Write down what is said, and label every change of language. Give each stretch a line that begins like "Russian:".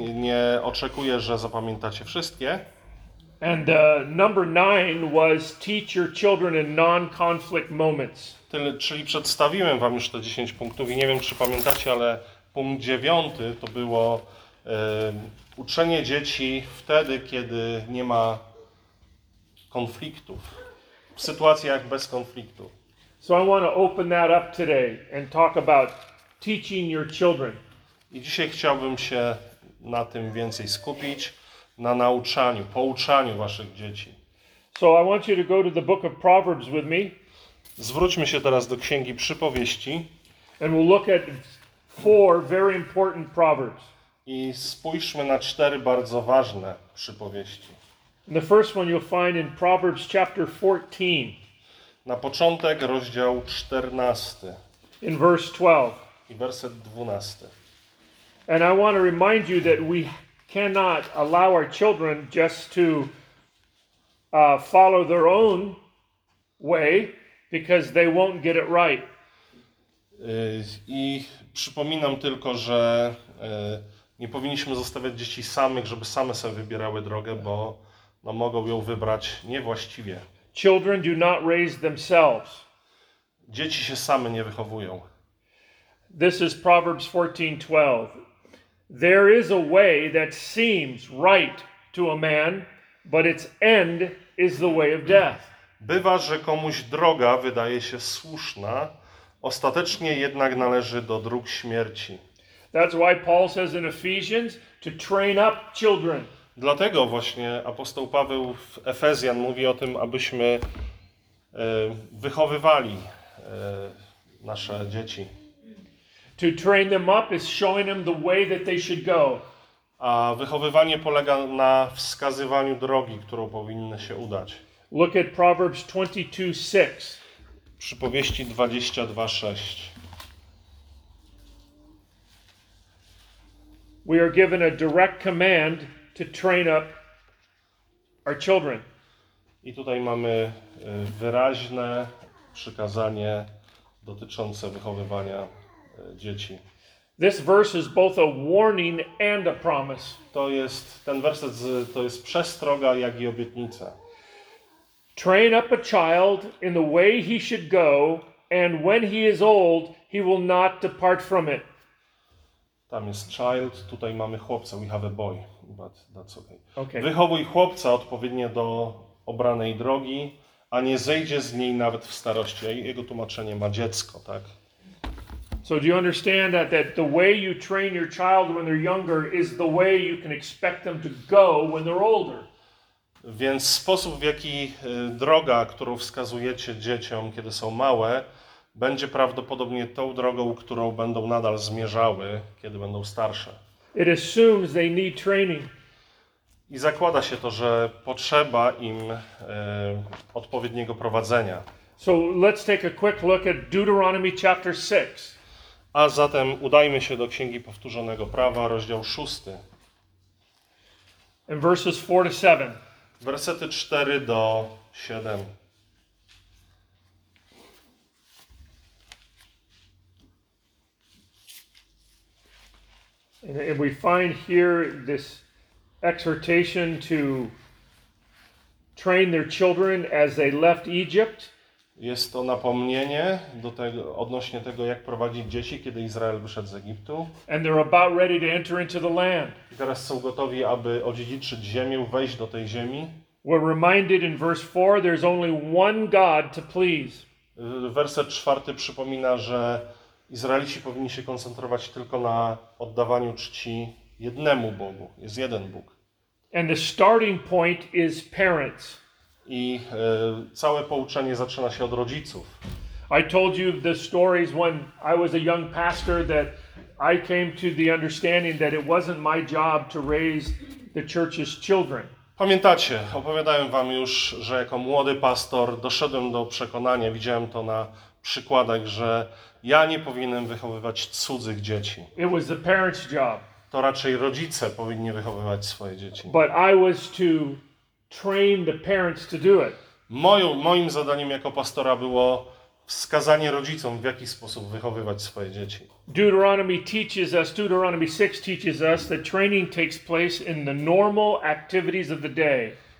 Polish: Nie oczekuję, że zapamiętacie wszystkie.
English: And number 9 was teach your children in non-conflict moments.
Polish: Czyli przedstawiłem wam już te 10 punktów i nie wiem, czy pamiętacie, ale punkt 9 to było uczenie dzieci wtedy, kiedy nie ma konfliktów, w sytuacjach bez konfliktu.
English: So I want to open that up today and talk about teaching your children.
Polish: I dzisiaj chciałbym się na tym więcej skupić, na nauczaniu, pouczaniu waszych dzieci.
English: So I want you to go to the book of Proverbs with me.
Polish: Zwróćmy się teraz do Księgi Przypowieści.
English: And we'll look at four very important proverbs.
Polish: I spójrzmy na 4 bardzo ważne przypowieści.
English: And the first one you'll find in Proverbs chapter 14.
Polish: Na początek rozdział 14.
English: In verse 12.
Polish: I werset 12.
English: And I want to remind you that we cannot allow our children just to follow their own way because they won't get it right.
Polish: I przypominam tylko, że nie powinniśmy zostawiać dzieci samych, żeby same sobie wybierały drogę, bo no, mogą ją wybrać niewłaściwie.
English: Children do not raise themselves.
Polish: Dzieci się same nie wychowują.
English: This is Proverbs 14:12. There is a way that seems right to a man, but its end is the way of death.
Polish: Bywa, że komuś droga wydaje się słuszna, ostatecznie jednak należy do dróg śmierci.
English: That's why Paul says in Ephesians to train up children.
Polish: Dlatego właśnie apostoł Paweł w Efezjan mówi o tym, abyśmy wychowywali nasze dzieci.
English: To train them up is showing them the way that they should go.
Polish: A wychowywanie polega na wskazywaniu drogi, którą powinny się udać.
English: Look at Proverbs 22:6.
Polish: Przypowieści 22:6.
English: We are given a direct command to train up our children.
Polish: I tutaj mamy wyraźne przykazanie dotyczące wychowywania dzieci.
English: This verse is both a warning and a promise.
Polish: To jest ten werset to jest przestroga jak i obietnica.
English: Train up a child in the way he should go and when he is old he will not depart from it.
Polish: Tam jest child, tutaj mamy chłopca.
English: We have a boy, but that's okay. Okay.
Polish: Wychowuj chłopca odpowiednio do obranej drogi, a nie zejdzie z niej nawet w starości. Jego tłumaczenie ma dziecko, tak?
English: So do you understand that the way you train your child when they're younger is the way you can expect them to go when they're older?
Polish: Więc sposób, w jaki droga, którą wskazujecie dzieciom, kiedy są małe, będzie prawdopodobnie tą drogą, którą będą nadal zmierzały, kiedy będą starsze.
English: It assumes they need training.
Polish: I zakłada się to, że potrzeba im odpowiedniego prowadzenia.
English: So let's take a quick look at Deuteronomy chapter 6.
Polish: A zatem udajmy się do Księgi Powtórzonego Prawa, rozdział 6.
English: And verses 4 to 7.
Polish: Wersety 4 do 7.
English: And we find here this exhortation to train their children as they left Egypt.
Polish: Jest to napomnienie do tego, odnośnie tego, jak prowadzić dzieci, kiedy Izrael wyszedł z Egiptu.
English: And they're about ready to enter into the land.
Polish: I teraz są gotowi, aby odziedziczyć ziemię, wejść do tej ziemi.
English: We're reminded in verse 4 there's only one God to please.
Polish: Werset 4 przypomina, że Izraelici powinni się koncentrować tylko na oddawaniu czci jednemu Bogu. Jest jeden Bóg.
English: And the starting point is parents.
Polish: I całe pouczenie zaczyna się od rodziców.
English: I told you the stories when I was a young pastor that I came to the understanding that it wasn't my job to raise the church's children.
Polish: Pamiętacie, opowiadałem wam już, że jako młody pastor doszedłem do przekonania, widziałem to na przykładach, że ja nie powinienem wychowywać cudzych dzieci.
English: It was the parents' job.
Polish: To raczej rodzice powinni wychowywać swoje dzieci.
English: But I was to train the parents to do it.
Polish: Moim zadaniem jako pastora było wskazanie rodzicom, w jaki sposób wychowywać swoje dzieci.
English: Deuteronomy 6 teaches us that training takes place in the normal activities of the day.